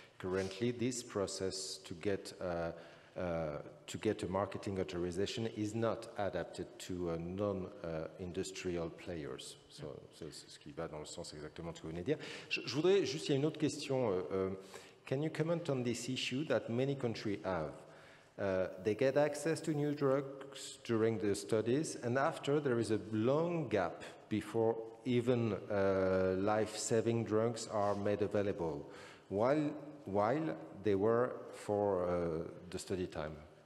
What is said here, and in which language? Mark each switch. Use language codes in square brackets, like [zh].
[en] Currently, this process to get a marketing authorization is not adapted to non-industrial players. [fr] So, c'est ce qui va dans le sens exactement de ce que vous venez de dire. Je voudrais juste, il y a une autre question. [en] Can you comment on this issue that many countries have? They get access to new drugs during the studies, and after there is a long gap before even life-saving drugs are made available, while they were for the study time.